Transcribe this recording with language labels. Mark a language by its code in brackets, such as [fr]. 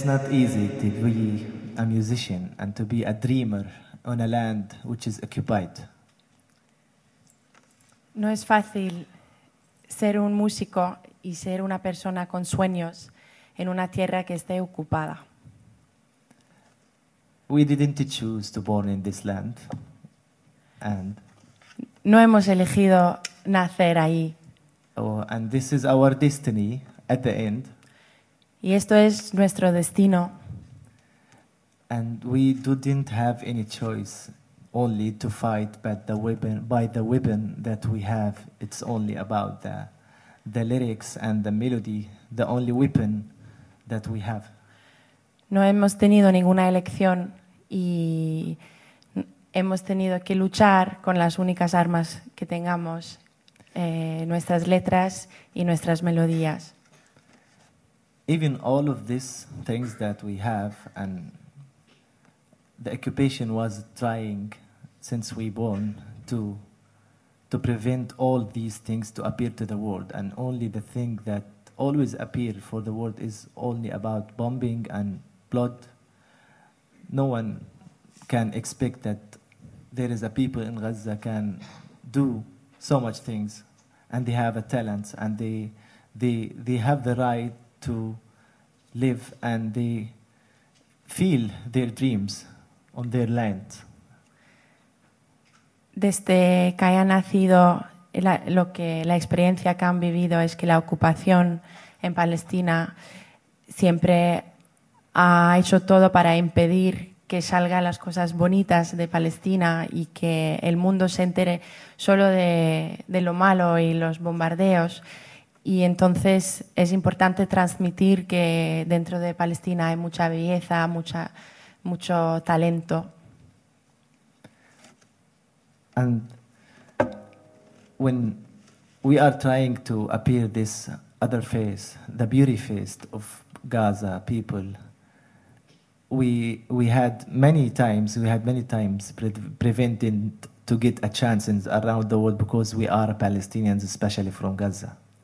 [en] and to be a dreamer on a land which is occupied. [es] No es fácil ser un músico y ser una persona con sueños en una tierra que esté ocupada. [en] We didn't choose to born in this land. And [es] no hemos elegido nacer ahí. [en] Oh, and this is our destiny at the end. [es] Y esto es nuestro destino. [en] And we didn't have any choice, only to fight by the weapon that we have. It's only about the lyrics and the melody, the only weapon that we have. [es] No hemos tenido ninguna elección y hemos tenido que luchar con las únicas armas que tengamos, nuestras letras y nuestras melodías. [en] Even all of these things that we have and the occupation was trying since we born to prevent all these things to appear to the world, and only the thing that always appear for the world is only about bombing and blood. No one can expect that there is a people in Gaza can do so much things, and they have a talent, and they have the right to live, and they feel their dreams on their land. [es] Desde que haya nacido, la experiencia que han vivido es que la ocupación en Palestina siempre ha hecho todo para impedir que salgan las cosas bonitas de Palestina y que el mundo se entere solo de lo malo y los bombardeos. Y entonces es importante transmitir que dentro de Palestina hay mucha belleza, mucho talento. [en] And when we are trying to appear this other face, the beauty face of Gaza people, we had many times prevented to get a chance around the world because we are Palestinians, especially from Gaza.